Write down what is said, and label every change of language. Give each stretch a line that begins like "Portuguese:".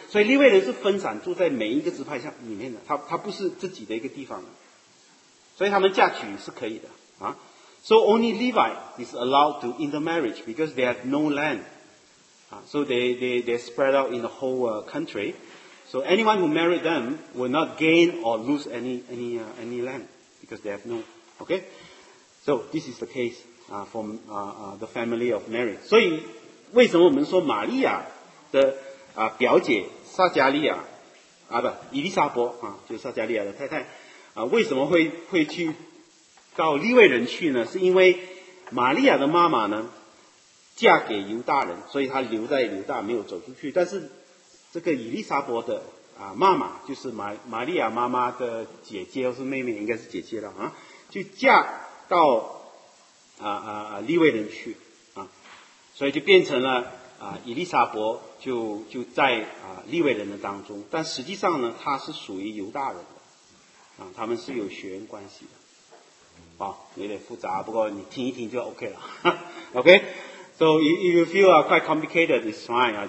Chinese: 所以利未人是分散住在每一个支派下里面的，他不是自己的一个地方的，所以他们嫁娶是可以的。
English: So only Levite is allowed to intermarriage because they have no land. So they spread out in the whole country. So anyone who married them will not gain or lose any land because they have no. Okay? So this is the case from the family of Mary.
Chinese: 所以为什么我们说玛利亚的 表姐撒迦利亚，伊丽莎伯，就是撒迦利亚的太太，为什么会去到利未人去呢？是因为玛利亚的妈妈呢，嫁给犹大人，所以她留在犹大没有走出去。但是这个伊丽莎伯的妈妈，就是玛利亚妈妈的姐姐，或是妹妹，应该是姐姐了，就嫁到利未人去，所以就变成了 伊丽莎伯就在利未人的当中，但实际上呢，他是属于犹大人的，他们是有血缘关系的，有点复杂，不过你听一听就 OK 了。
English: OK, so if you feel quite complicated, it's fine.